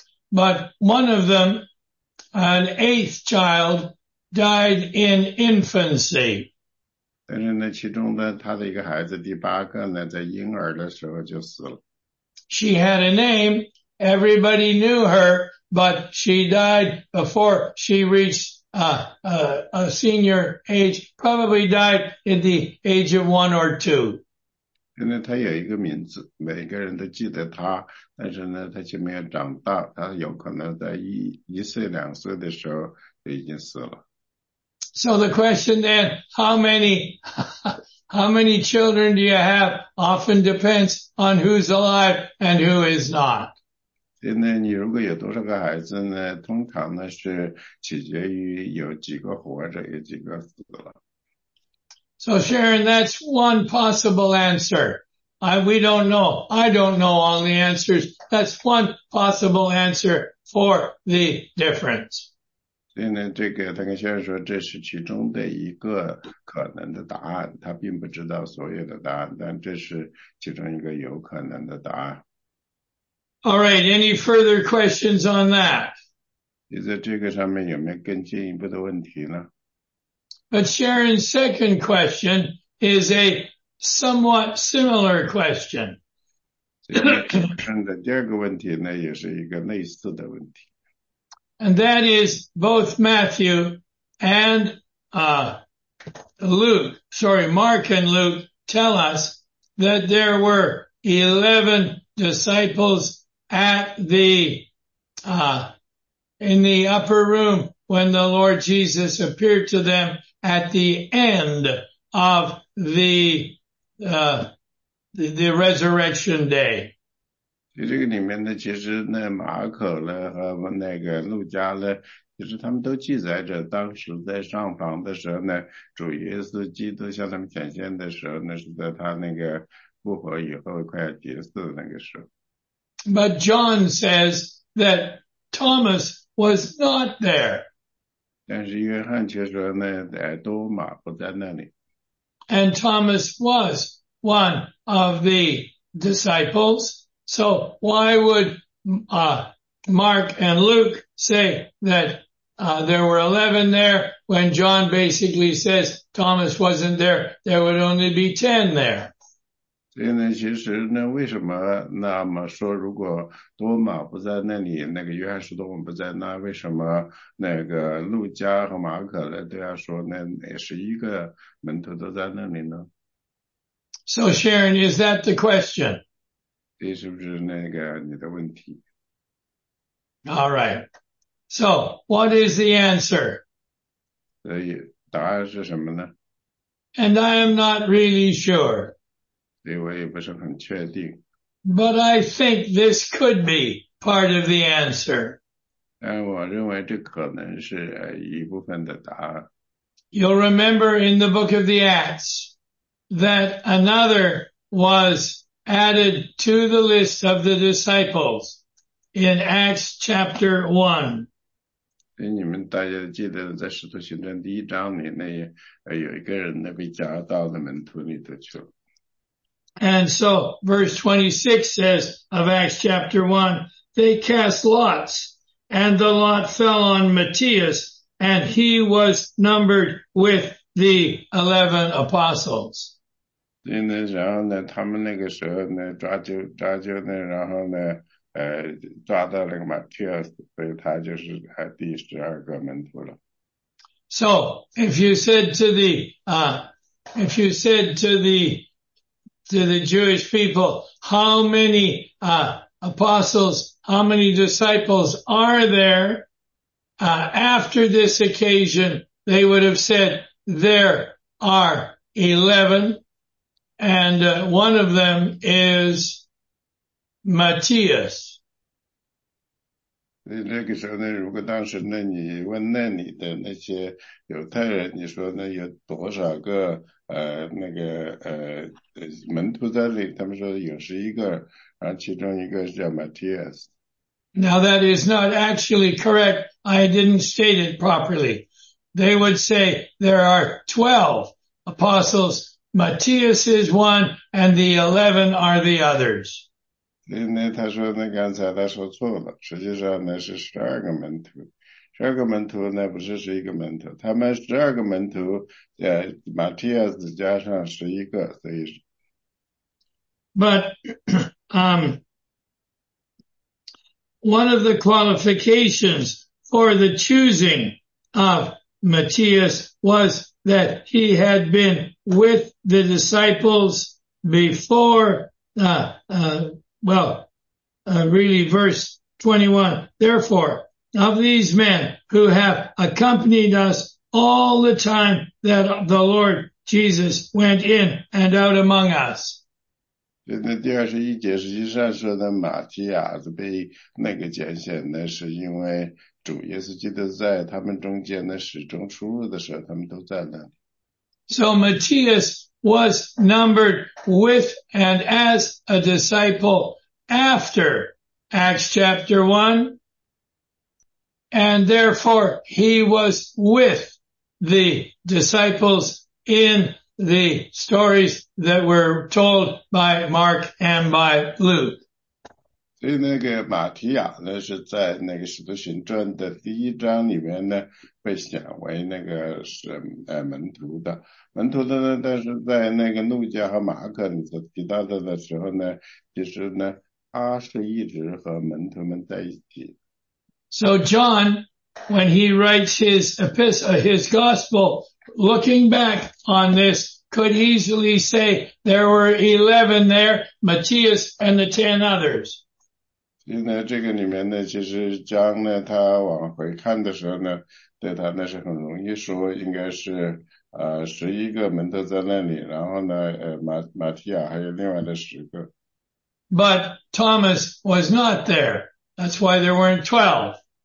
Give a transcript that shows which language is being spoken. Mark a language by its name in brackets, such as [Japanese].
[English] But one of them, an eighth child, died in infancy. [Chinese] 但是呢，其中呢，他的一个孩子第8个呢，在婴儿的时候就死了。 [English] She had a name, everybody knew her. But she died before she reached a senior age, probably died in the age of one or two. [Chinese] 现在他有一个名字，每个人都记得他，但是呢，他却没有长大，他有可能在一岁2岁的时候就已经死了。 [English] So the question then, how many children do you have often depends on who's alive and who is not. [Chinese] 现在你如果有多少个孩子呢？通常呢是取决于有几个活着，有几个死了。 [English] So Sharon, that's one possible answer. We don't know. I don't know all the answers. That's one possible answer for the difference. [Chinese] 所以呢，这个他跟先生说，这是其中的一个可能的答案。他并不知道所有的答案，但这是其中一个有可能的答案。 [English] All right, any further questions on that? [Chinese] 你在这个上面有没有更进一步的问题呢？ [English] But Sharon's second question is a somewhat similar question. [Chinese] 所以呢，先生的第二个问题呢，也是一个类似的问题。 [English] And that is both Matthew and Luke, sorry, Mark and Luke tell us that there were 11 disciples at the in the upper room when the Lord Jesus appeared to them. At the end of the resurrection day. [Chinese] 所以这个里面呢，其实那马可呢和那个路加呢，其实他们都记载着当时在上房的时候呢，主耶稣基督向他们显现的时候呢，是在他那个复活以后快要结束的那个时候。 [English] But John says that Thomas was not there. [Chinese] 但是约翰却说呢，在多马不在那里。 [English] And Thomas was one of the disciples. So why would Mark and Luke say that there were 11 there when John basically says Thomas wasn't there? There would only be 10 there. [Chinese] 所以呢，其实呢，为什么那么说？如果多马不在那里，那个约翰使徒不在那，为什么那个路加和马可呢都要说那11个门徒都在那里呢？ [English] So Sharon, is that the question? [Chinese] 这是不是那个你的问题？ [English] All right. So what is the answer? [Chinese] 所以答案是什么呢？ [English] And I am not really sure. [Chinese] So 我也不是很确定， [English] But I think this could be part of the answer. [Chinese] 但我认为这可能是一部分的答案。 [English] You'll remember in the book of the Acts. That another was added to the list of the disciples in Acts chapter 1. [Chinese] 所以你们大家记得，在《使徒行传》第一章里，那有一个人呢被加到了门徒里头去了。 [English] And so verse 26 says of Acts chapter 1, they cast lots, and the lot fell on Matthias, and he was numbered with the 11 apostles. [Chinese] 所以呢，然后呢，他们那个时候呢，抓阄呢，然后呢，抓到那个马蒂尔斯，所以他就是第12个门徒了。 [English] So, if you said to the Jewish people, how many disciples are there, after this occasion, they would have said, there are 11, and one of them is Matthias. [Chinese] 那个时候呢，如果当时呢，你问那里的那些犹太人，你说那有多少个门徒在里？他们说有11个，然后其中一个叫 Matthias。 [English] Now that is not actually correct. I didn't state it properly. They would say there are 12 apostles. Matthias is one and the 11 are the others. [Chinese] 那他说，那刚才他说错了，实际上那是12个门徒，12个门徒那不是11个门徒，他们12个门徒，马蒂亚斯加上11个，所以。 [English] But, one of the qualifications for the choosing of Matthias was that he had been with the disciples before, really verse 21. Therefore, of these men who have accompanied us all the time that the Lord Jesus went in and out among us. [Chinese] 那第21节实际上说的马提亚子被那个拣选呢，是因为主耶稣基督在他们中间的始终出入的时候，他们都在那里。 [English] So Matthias was numbered with and as a disciple after Acts chapter 1, and therefore he was with the disciples in the stories that were told by Mark and by Luke. [Chinese] 所以那个马提亚呢，是在那个《使徒行传》的第一章里面呢，被选为那个是门徒的呢，但是在那个路加和马可里所提到的的时候呢，其实呢，他是一直和门徒们在一起。 [English] So John, when he writes his epistle, his gospel, looking back on this, could easily say there were 11 there, Matthias and the 10 others. [Chinese] 因为这个里面呢，其实将呢，他往回看的时候呢，对他那是很容易说，应该是11个门徒在那里，然后呢，马提亚还有另外的10个。 [English] But Thomas was not there. That's why there weren't 12.